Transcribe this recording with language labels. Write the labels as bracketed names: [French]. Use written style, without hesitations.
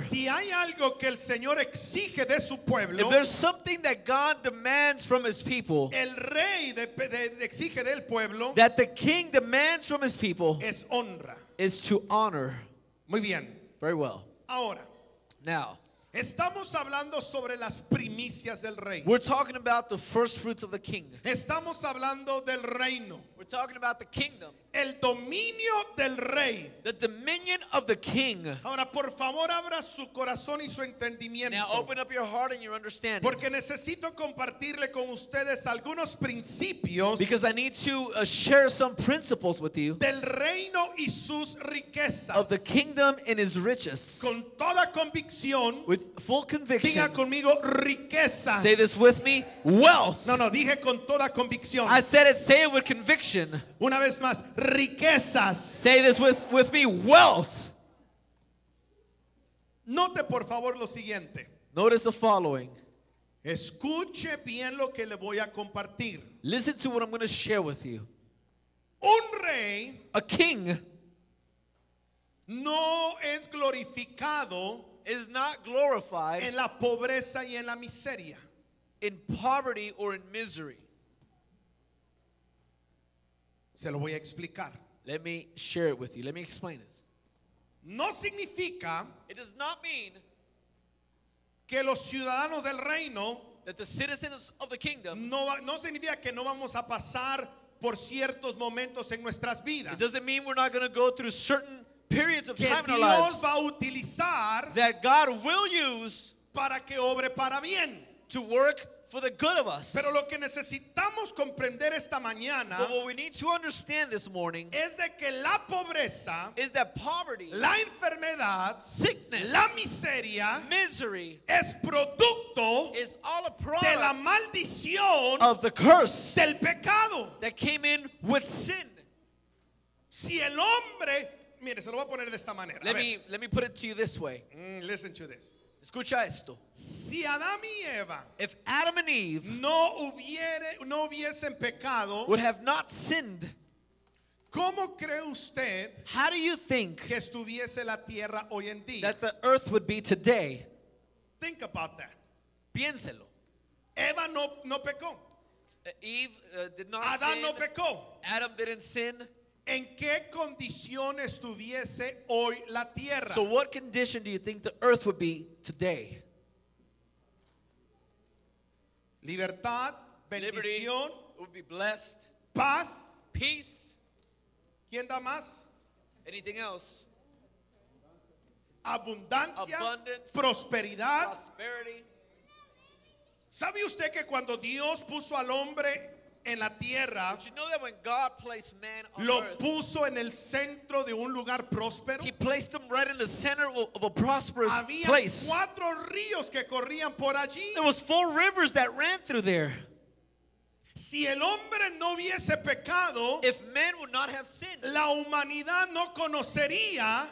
[Spanish] Si hay algo que el Señor exige de su pueblo, [English] if there's something that God demands from his people, [Spanish] el rey de exige del pueblo, [English] that the king demands from his people, [Spanish] es honra, [English] is to honor. [Spanish] Muy bien. [English] Very well. [Spanish] Ahora, [English] now, [Spanish] estamos hablando sobre las primicias del rey. [English] We're talking about the first fruits of the king. [Spanish] Estamos hablando del reino. [English] We're talking about the kingdom. [Spanish] El dominio del rey. [English] The dominion of the king. [Spanish] Ahora, por favor, abra su corazón y su entendimiento. [English] Now open up your heart and your understanding. [Spanish] Porque necesito compartirle con ustedes algunos principios. [English] Because I need to share some principles with you. [Spanish] Del reino y sus riquezas. [English] Of the kingdom and his riches. [Spanish] Con toda convicción. [English] With full conviction. [Spanish] Diga conmigo, riqueza. [English] Say this with me, wealth. [Spanish] No, no, dije con toda convicción. [English] I said it, say it with conviction. [Spanish] Una vez más, riquezas. [English] Say this with me, wealth. [Spanish] Note por favor lo siguiente. [English] Notice the following. [Spanish] Escuche bien lo que le voy a compartir. [English] Listen to what I'm going to share with you. [Spanish] Un rey, [English] a king, [Spanish] no es glorificado, [English] is not glorified [Spanish] en la pobreza y en la miseria. [English] In poverty or in misery. [Spanish] Se lo voy a explicar. [English] Let me share it with you. Let me explain this. [Spanish] No significa, [English] it does not mean, [Spanish] que los ciudadanos del reino, [English] that the citizens of the kingdom, [Spanish] no significa que no vamos a pasar por ciertos momentos en nuestras vidas. [English] It doesn't mean we're not going to go through certain periods of [Spanish] que [English] time [Spanish] Dios [English] in our lives. [Spanish] Va a utilizar, [English] that God will use [Spanish] para que obre para bien. [English] To work for the good of us. [Spanish] Pero lo que necesitamos comprender esta mañana, [English] but what we need to understand this morning, [Spanish] es de que la pobreza, [English] is that poverty, [Spanish] la enfermedad, [English] sickness, [Spanish] la miseria, [English] misery, [Spanish] es producto, [English] is all a product, [Spanish] de la maldición, [English] of the curse, [Spanish] del pecado, [English] that came in with sin. [Spanish] Si el hombre, mire, se lo voy a poner de esta manera. [English] Let me put it to you this way. Listen to this. [Spanish] Escucha esto. Si Adam y Eva, [English] if Adam and Eve, [Spanish] no hubiesen pecado, [English] would have not sinned, [Spanish] ¿cómo cree usted, [English] how do you think, [Spanish] que estuviese la tierra hoy en día, [English] that the earth would be today? Think about that. [Spanish] Piénselo. Eva no pecó. [English] Eve did not sin. Adam didn't sin. [Spanish] ¿En qué condición estuviese hoy la tierra? [English] So what condition do you think the earth would be today? [Spanish] Libertad, bendición, [English] would be blessed. [Spanish] Paz, [English] peace. [Spanish] ¿Quién da más? [English] Anything else? [Spanish] Abundancia, [English] abundance, [Spanish] prosperidad, [English] prosperity. [Spanish] ¿Sabe usted que cuando Dios puso al hombre en la tierra, [English] but you know that when God placed man on [Spanish] lo [English] earth, [Spanish] puso en el centro de un lugar próspero, [English] he placed him right in the center of a prosperous [Spanish] había [English] place. [Spanish] Cuatro ríos que corrían por allí. [English] There was four rivers that ran through there. [Spanish] Si el hombre no hubiese pecado, [English] if man would not have sinned, [Spanish] la humanidad no conocería,